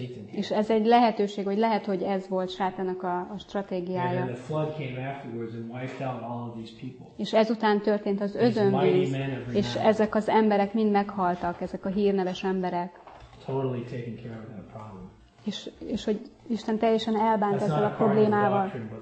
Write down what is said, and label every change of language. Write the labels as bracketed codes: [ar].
[hu] És ez egy lehetőség, hogy lehet, hogy ez volt Sátának a stratégiája. [en] And then the flood came afterwards and wiped out all of these people. [hu] És ezután történt az özönvíz, és ezek az emberek mind meghaltak, ezek a hírneves emberek. [en] Totally taken care of that problem. [hu] És hogy Isten teljesen elbánt ezzel a problémával.